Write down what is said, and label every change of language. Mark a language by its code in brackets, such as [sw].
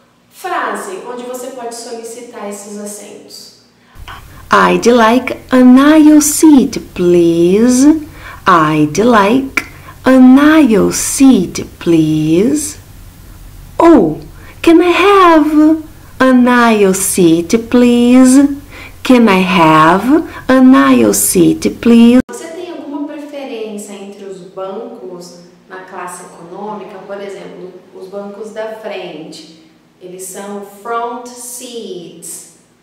[pt] Frase onde você pode solicitar esses assentos. [en] I'd like an aisle seat, please. I'd like an aisle seat, please. Oh, can I have an aisle seat, please? Can I have an aisle seat, please? [pt] Você tem alguma preferência entre os bancos na classe econômica? Por exemplo, os bancos da frente. Eles são front seats.